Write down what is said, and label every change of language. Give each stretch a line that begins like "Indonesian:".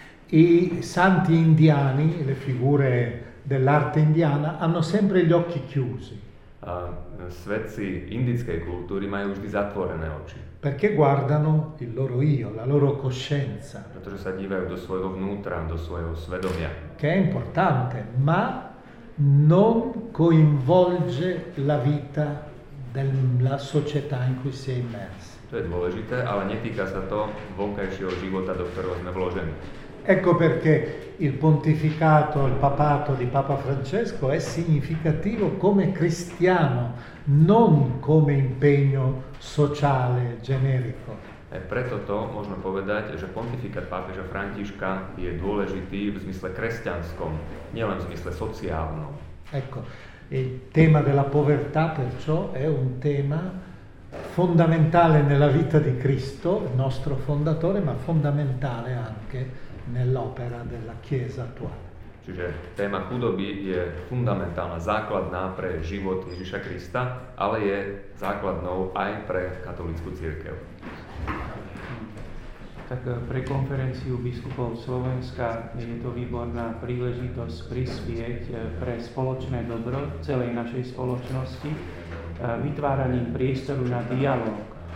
Italian: I santi indiani, le figure dell'arte indiana, hanno sempre gli occhi chiusi.
Slovak: Svätci indickej kultúry majú vždy zatvorené oči.
Italian: Perché guardano il loro io, la loro coscienza.
Slovak: Pretože sa dívajú do svojho vnútra, do svojho svedomia.
Italian: Che è importante, ma non coinvolge la vita della società in cui si è immersi.
Slovak: To je dôležité, ale netýka sa to vonkajšieho života, do ktorého sme vložení.
Italian: Ecco perché il pontificato, il papato di Papa Francesco è significativo come cristiano, non come impegno sociale generico.
Slovak: E preto to možno povedať, že pontifikát pápeža Františka je dôležitý v zmysle kresťanskom, nielen v zmysle sociálnom.
Italian: Ecco. Il tema della povertà perciò è un tema fondamentale nella vita di Cristo, il nostro fondatore, ma fondamentale anche nell'opera della Chiesa attuale.
Slovak: Čiže téma chudoby je fundamentálna, základná pre život Ježiša Krista, ale je základnou aj pre katolickú cirkev. Tak pre konferenciu biskupov Slovenska je to výborná príležitosť prispieť pre spoločné dobro celej našej spoločnosti vytváraním priestoru na dialog.